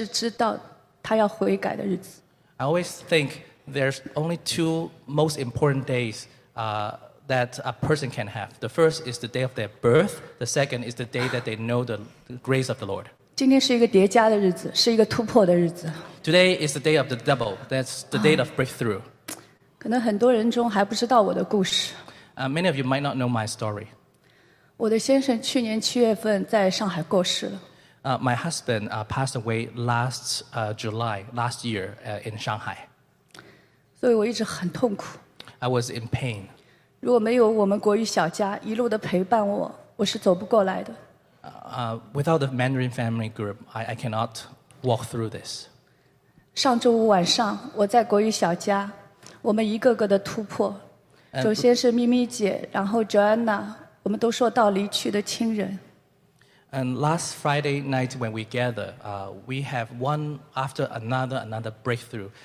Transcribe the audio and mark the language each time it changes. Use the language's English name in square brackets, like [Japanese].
[Chinese] 我们说一个人一生有两个重大的日子，一个是他的生日，一个是知道他要悔改的日子。 [English] I always think there's only two most important days that a person can have. The first is the day of their birth. The second is the day that they know the grace of the Lord. [Chinese] 今天是一个叠加的日子，是一个突破的日子。 [English] Today is the day of the double. That's the day of breakthrough. [Chinese] 可能很多人中还不知道我的故事。 [English] Many of you might not know my story. [Chinese] 我的先生去年7月份在上海过世了。 [English] My husband passed away last July, last year in Shanghai. [Chinese] 所以我一直很痛苦。 [English] I was in pain. [Chinese] 如果没有我们国语小家一路的陪伴我, 我是走不过来的。 [English] Without the Mandarin family group, I cannot walk through this. [Chinese] 上周五晚上, 我在国语小家, 我们一个个的突破, 首先是咪咪姐, 然后Joanna, 我们都说到离去的亲人。 [English] And last Friday night when we gather, we have one after another breakthrough.